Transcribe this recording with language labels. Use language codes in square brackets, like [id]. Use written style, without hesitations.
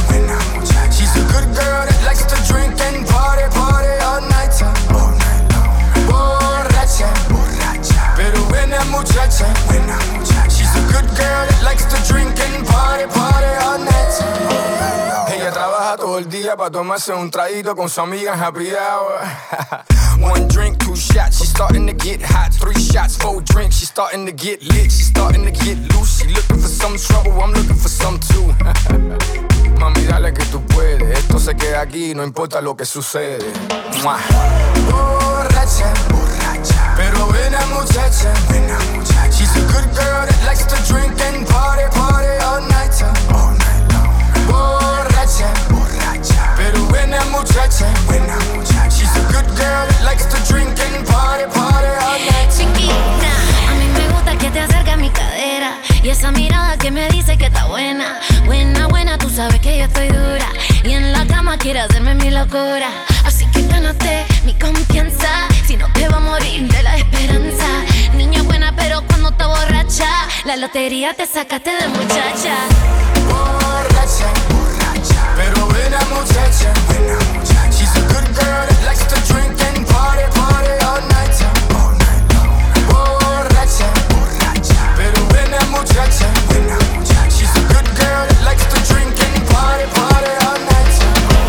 [es] buena muchacha. [en] She's a good girl that likes to drink and party, party all night time, all night long. [es] Borracha, borracha, pero buena muchacha, buena muchacha. [en] She's a good girl that likes to drink and party, party all night. [es] Todo el día pa' tomarse un traguito con su amiga [en] happy hour. One drink, two shots, she's starting to get hot. Three shots, four drinks, she's starting to get lit. She's starting to get loose, she looking for some trouble. I'm looking for some too. [es] Mami, dale que tú puedes. Esto se queda aquí, no importa lo que sucede. Mwah. Borracha, borracha, pero buena muchacha, buena muchacha. [en] She's a good girl that likes to drink and party, party all night time, all night long. [es] Borracha, pero buena muchacha, buena muchacha. [en] She's a good girl that likes to drink and party, party all night. [es] Chiquita, a mí me gusta que te acerques a mi cadera. Y esa mirada que me dice que está buena. Buena, buena, tú sabes que yo estoy dura. Y en la cama quiere hacerme mi locura. Así que gánate mi confianza. Si no te va a morir de la esperanza. Niña buena, pero cuando está borracha, la lotería te sacaste de muchacha. Borracha, pero buena muchacha, buena muchacha. [en] She's a good girl that likes to drink and party, party all night time, all night long. [es] Borracha, borracha, pero buena muchacha, buena muchacha. [en] She's a good girl that likes to drink and party, party all night time.